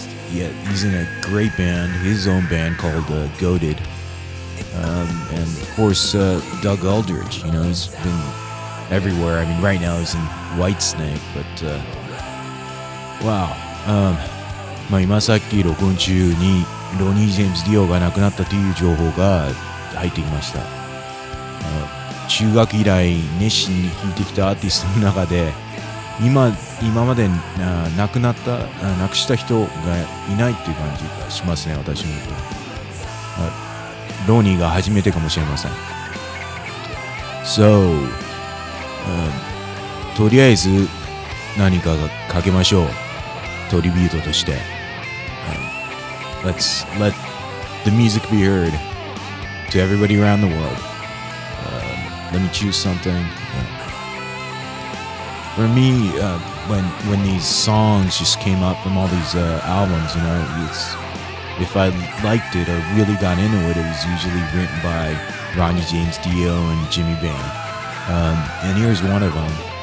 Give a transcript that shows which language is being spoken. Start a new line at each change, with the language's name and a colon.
English: Yeah, he's in a great band, his own band called Goated. And of course, Doug Aldrich, you know, he's been everywhere. I mean, right now he's in Whitesnake, but wow.
Japanese: まあ今さっき録音中にロニー・ジェームズ・ディオが亡くなったという情報が入ってきました。中学以来熱心に聴いてきたアーティストの中で今まで亡くした人がいないっていう感じがしますね、私も。ローニーが初めてかもしれません。So, とりあえず何かが書けましょう。トリビュートとして。
English: Let's let the music be heard to everybody around the world. Let me choose something. For me, when these songs just came up from all these albums, you know, if I liked it or really got into it, it was usually written by Ronnie James Dio and Jimmy Bain. And here's one of them.